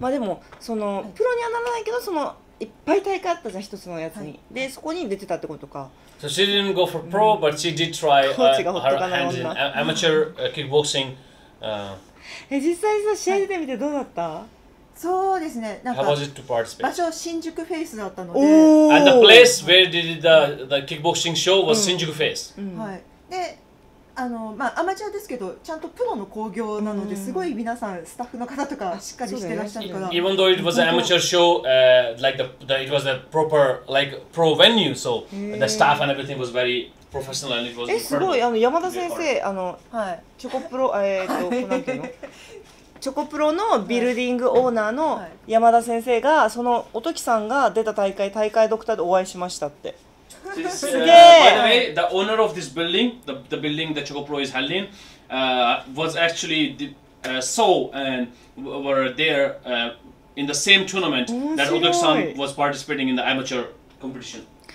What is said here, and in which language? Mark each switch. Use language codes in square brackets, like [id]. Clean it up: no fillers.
[ja] まあでもそのプロにはならないけどその。いっぱい大会あったじゃん、一つのやつに、はい、で、そこに出てたってことか。 [en] So she didn't go for pro, but she did try her hands in amateur kickboxing. [ja] 実際さ、試合出てみてどうだった？そうですね、なんか [en] How was it to participate? [ja] 場所新宿フェイスだったので [en] And the place where did the kickboxing show was 新宿フェイス。 [ja] はい、で、あの、まあアマチュアですけど、ちゃんとプロの興行なのですごい皆さん、スタッフの方とかしっかりしてらっしゃるから、 [en] ね、Even though it was an amateur show, like the it was a proper, like, pro venue, so the staff and everything was very professional and it was [ja] すごい、あの山田先生、あの、はい、チョコプロ、なんていうのチョコプロのビルディングオーナーの山田先生が、そのおときさんが出た大会、大会ドクターでお会いしましたって [en] By the way, the owner of this building, the building that ChocoPro is held in, was actually Seoul and were there in the same tournament that Oduk-san was participating in the amateur competition.